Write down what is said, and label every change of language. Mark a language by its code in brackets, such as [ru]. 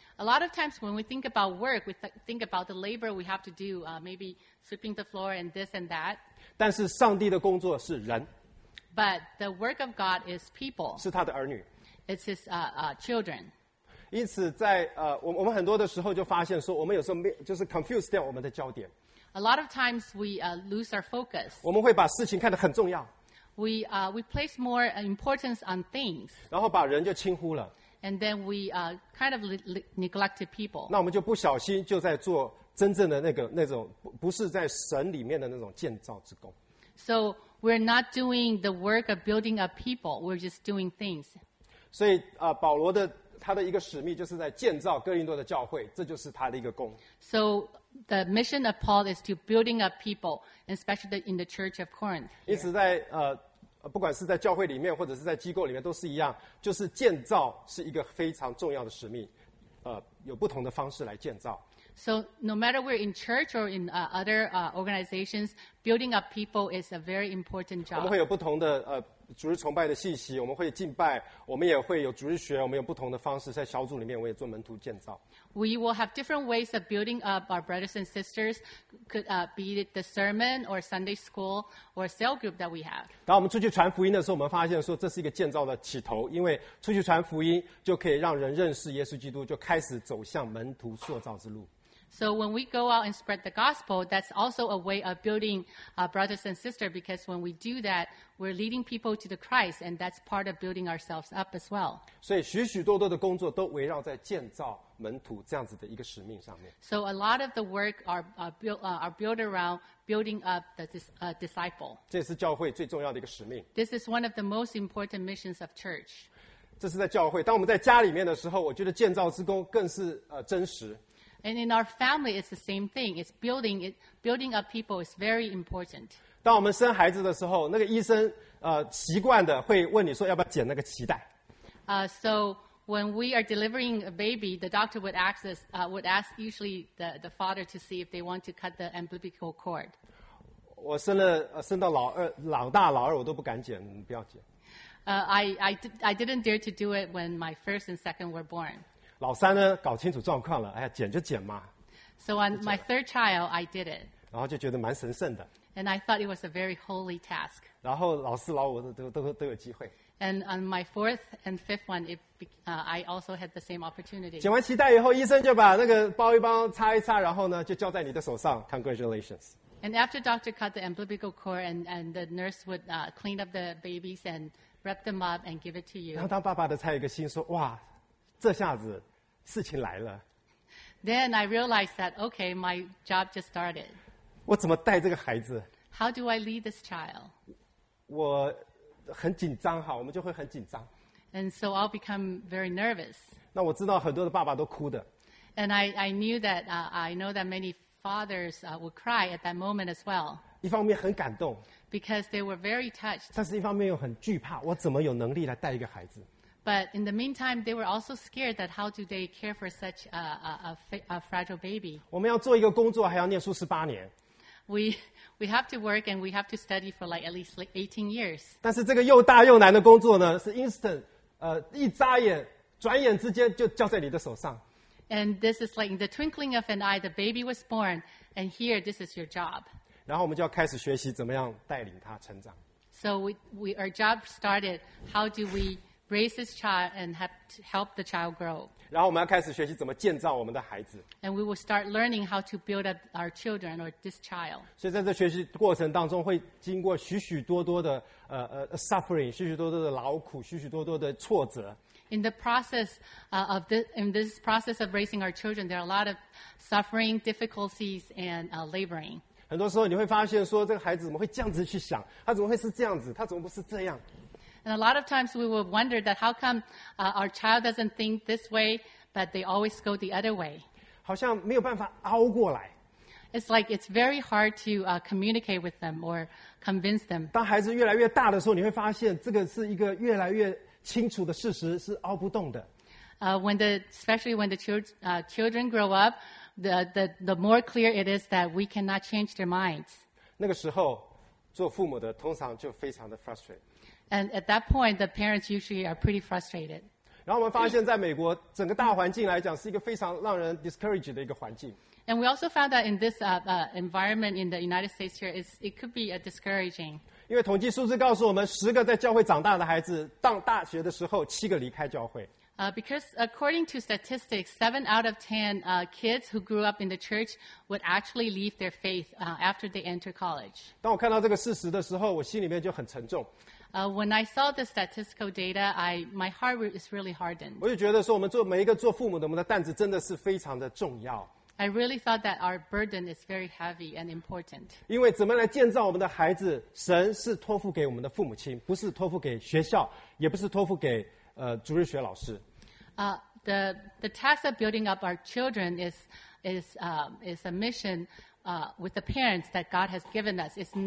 [en] A lot of times when we think about work, we think about the labor we have to do, maybe sweeping the floor and this and that. [zh] 但是上帝的工作是人。 [en] But the work of God is people. [zh] 是他的儿女。 [en] It's his children. [zh] 因此在我们很多的时候就发现说我们有时候没就是 [en] confuse [zh] 掉我们的焦点。 [en] A lot of times we lose our focus. [zh] 我们会把事情看得很重要。 [en] We place more importance on things. [zh] 然后把人就轻忽了。 [en] And then we kind of neglected people. [zh] 那我们就不小心就在做真正的那种不是在神里面的那种建造之工。 [en] So we're not doing the work of building up people. We're just doing things. [zh] 所以保罗的他的一个使命就是在建造哥林多的教会，这就是他的一个工。 [en] So the mission of Paul is to building up people, especially in the church of Corinth. [zh] 因此在不管是在教会里面或者是在机构里面都是一样，就是建造是一个非常重要的使命，有不同的方式来建造。 [en] So no matter we're in church or in other organizations, building up people is a very important job. [zh] 我们会有不同的主日崇拜的信息，我们会敬拜，我们也会有主日学，我们有不同的方式在小组里面，我也做门徒建造。 [en] We will have different ways of building up our brothers and sisters, could be it the sermon or Sunday school or cell group that we have. [zh] 当我们出去传福音的时候，我们发现说这是一个建造的起头，因为出去传福音就可以让人认识耶稣基督，就开始走向门徒塑造之路。 [en] So when we go out and spread the gospel, that's also a way of building brothers and sisters, because when we do that, we're leading people to the Christ, and that's part of building ourselves up as well. [zh] 所以许许多多的工作都围绕在建造门徒这样子的一个使命上面。 [en] So a lot of the work are built around building up the disciple. [zh] 这是教会最重要的一个使命。 [en] This is one of the most important missions of church. [zh] 这是在教会。当我们在家里面的时候，我觉得建造之工更是真实。 [en] And in our family, it's the same thing. It's building up people is very important. [zh] 当我们生孩子的时候，那个医生习惯的会问你说要不要剪那个脐带。 [en] So when we are delivering a baby, the doctor would ask us, usually the father to see if they want to cut the umbilical cord. [zh] 我生到老二、老大、老二，我都不敢剪，不要剪。 [en] I didn't dare to do it when my first and second were born. [zh] 老三呢，搞清楚状况了，哎呀，剪就剪嘛。 [en] So on my third child, I did it. [zh] 然后就觉得蛮神圣的。 [en] And I thought it was a very holy task. [zh] 然后老四、老五都有机会。 [en] And on my fourth and fifth one, I also had the same opportunity. [zh] 剪完脐带以后，医生就把那个包一包、擦一擦，然后呢就交在你的手上。 [en] Congratulations. And after doctor cut the umbilical cord, and the nurse would clean up the babies and wrap them up and give it to you. [zh] 然后当爸爸的才有一个心说，哇。这下子事情来了。 [en] Then I realized that, okay, my job just started. [zh] 我怎么带这个孩子 [en] ？How do I lead this child? [zh] 我很紧张哈，我们就会很紧张。 [en] And so I'll become very nervous. [zh] 那我知道很多的爸爸都哭的。 [en] And I knew that, I know that many fathers would cry at that moment as well. [zh] 一方面很感动。 [en] Because they were very touched. [zh] 但是一方面又很惧怕，我怎么有能力来带一个孩子？ [en] But in the meantime, they were also scared that how do they care for such a fragile baby? [zh] 我们要做一个工作，还要念书十八年。 [en] We have to work and we have to study for like at least like 18 years. [zh] 但是这个又大又难的工作呢，是 [en] instant， [zh] 一眨眼，转眼之间就交在你的手上。 [en] And this is like in the twinkling of an eye, the baby was born, and here this is your job. 然后我们就要开始学习怎么样带领他成长。 So we our job started. How do we raise this child and help the child grow. [zh] 然后我们要开始学习怎么建造我们的孩子。 [en] And we will start learning how to build up our children or this child. [zh] 所以在这学习过程当中，会经过许许多多的 [en] suffering， [zh] 许许多多的劳苦，许许多多的挫折。 [en] In the process of raising our children, there are a lot of suffering, difficulties, and laboring. [zh] 很多时候你会发现说，这个孩子怎么会这样子去想？他怎么会是这样子？他怎么不是这样？ [en] And a lot of times we will wonder that how come our child doesn't think this way, but they always go the other way. [zh] 好像没有办法熬过来。 [en] it's like it's very hard to communicate with them or convince them. [zh] 当孩子越来越大的时候，你会发现这个是一个越来越清楚的事实，是拗不动的。 [en] When the children grow up, the more clear it is that we cannot change their minds. [zh] 那个时候，做父母的通常就非常的 [en] frustrated. And at that point, the parents usually are pretty frustrated. [zh] 然后我们发现在美国整个大环境来讲是一个非常让人 [en] discouraged [zh] 的一个环境。 [en] And we also found that in this environment in the United States here, it could be a discouraging. [zh] 因为统计数字告诉我们十个在教会长大的孩子到大学的时候七个离开教会。 [en] Because according to statistics, 7 out of 10 kids who grew up in the church would actually leave their faith after they enter college. [zh] 当我看到这个事实的时候我心里面就很沉重。 [en] When I saw the statistical data, my heart is really hardened. [zh] 我就觉得说，我们做每一个做父母的，我们的担子真的是非常的重要。 [en] I really thought that our burden is very heavy and important. [zh] 因为怎么来建造我们的孩子，神是托付给我们的父母亲，不是托付给学校，也不是托付给主日学老师。 [en] The task of building up our children is a mission with the parents that God has given us.